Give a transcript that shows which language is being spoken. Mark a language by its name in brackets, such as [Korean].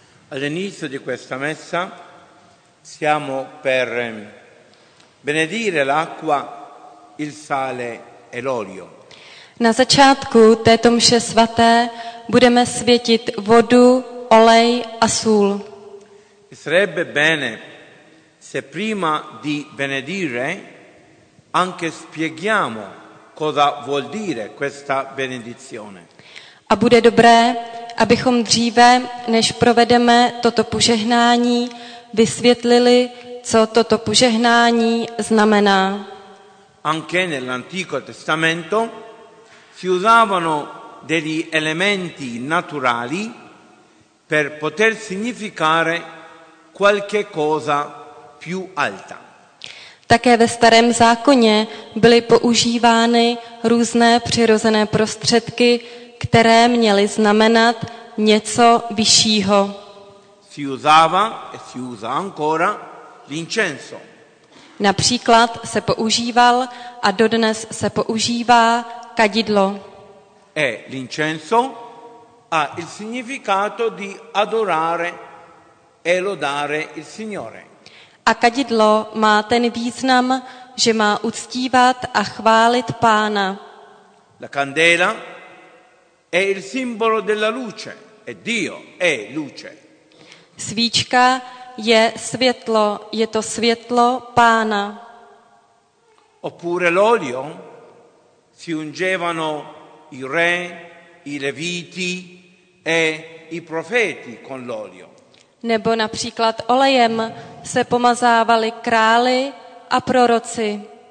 [Italian] All'inizio di questa messa siamo per benedire l'acqua, il sale e l'olio. [Czech] Na začátku této mše svaté budeme světit vodu, olej a sůl. [Italian] Sarebbe bene se prima di benedire anche spieghiamo cosa vuol dire questa benedizione. [Czech] A bude dobré, abychom dříve, než provedeme toto požehnání, vysvětlili, co toto požehnání znamená. [Italian] Anche nell'Antico Testamento si usavano degli elementi naturali per poter significare qualche cosa più alta. [Czech] Také ve Starém zákoně byly používány různé přirozené prostředky, které měly znamenat něco vyššího. [Italian] Si usava e si usa ancora l'incenso. [Czech] Například se používal a dodnes se používá kadidlo. [Italian] E l'incenso ha il significato di adorare e lodare il Signore. [Czech] A kadidlo má ten význam, že má uctívat a chválit Pána. [Italian] La candela è il simbolo della luce, e Dio è luce. [Czech] Svíčka je světlo, je to světlo Pána. [Italian] Oppure l'olio si ungevano i re, i leviti e i profeti con l'olio. [Czech] Nebo například olejem se pomazávali králi a proroci.